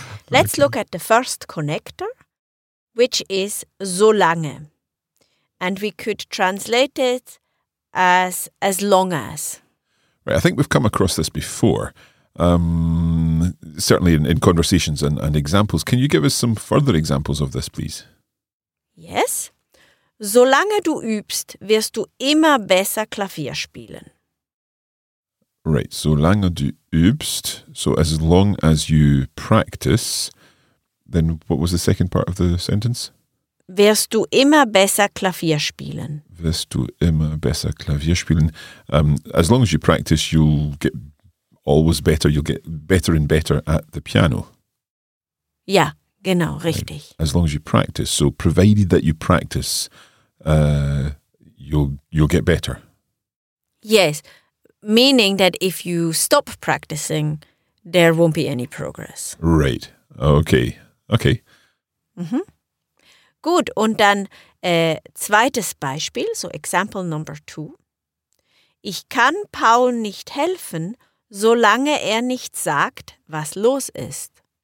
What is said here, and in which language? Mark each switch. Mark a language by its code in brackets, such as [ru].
[en] Let's look at the first connector, which is so lange. And we could translate it as long as. Right, I think we've come across this before, certainly in conversations and examples. Can you give us some further examples of this, please? Yes. [de] Solange du übst, wirst du immer besser Klavier spielen. [en] Right, [de] solange du übst, [en] so as long as you practice, then what was the second part of the sentence? [de] Wirst du immer besser Klavier spielen? Wirst du immer besser Klavier spielen? [en] As long as you practice, you'll get always better. You'll get better and better at the piano. [de] Ja, genau, richtig. [en] Right. As long as you practice. So provided that you practice, you'll get better. Yes, meaning that if you stop practicing, there won't be any progress. Right. Okay. Mm-hmm. [de] Gut, und dann zweites Beispiel, [en] so example number two. [de] Ich kann Paul nicht helfen, solange er nicht sagt, was los ist.